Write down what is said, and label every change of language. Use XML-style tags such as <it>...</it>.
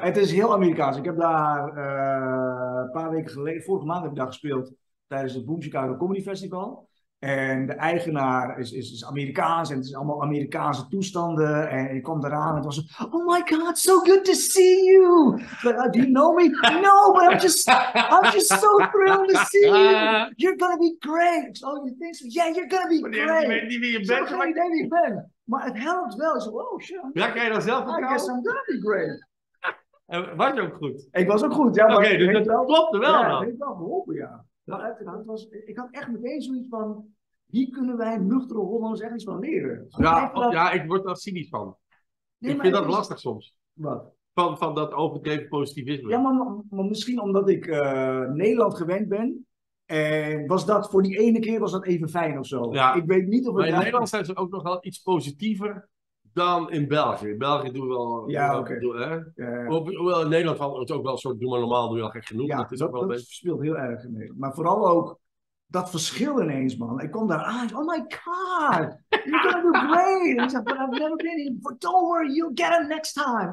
<nl>Het is heel Amerikaans. Ik heb daar een paar weken geleden... Vorige maand heb ik daar gespeeld tijdens het Boom Chicago Comedy Festival... En de eigenaar is Amerikaans en het is allemaal Amerikaanse toestanden. En ik kwam eraan en het was zo,</nl> <en>oh my god, so good to see you. Do you know me? No, but I'm just so thrilled to see you. You're gonna be great. Oh, you think so? Yeah, you're gonna be great.</en> <nl>Ik weet niet wie je bent. Ik weet niet wie je bent. Maar het helpt wel. Ik zei, oh shit. Ja, kan je dan zelf ook?</nl> <en>I guess I'm gonna be great.</en> <nl>En was je ook goed? Ik was ook goed, ja. Oké, dus dat klopte wel dan. Ja, het heeft wel geholpen, ja. Maar ik had echt meteen zoiets van, hier kunnen wij nuchtere Hollanders echt iets van leren. Ik word daar cynisch van. Nee, ik vind dat lastig soms. Wat? Van dat overdreven positivisme. Ja, maar misschien omdat ik Nederland gewend ben. En was dat voor die ene keer was dat even fijn of zo. Ja. Ik weet niet of maar het... Maar in Nederland zijn ze ook nog wel iets positiever dan in België. In België doen we wel... Ja, oké. Okay. Ja. Hoewel in Nederland het ook wel een soort... Doe maar normaal, doe je al gek genoeg. Ja, is ook wel dat een beetje... speelt heel erg in Nederland. Maar vooral ook dat verschil ineens, man. Ik kom daar aan.</nl> <en>Oh my god. You're gonna do great.</en> <nl>En ik zeg,</nl> <en>but I've never been here. Don't worry, you'll get him next time.</en>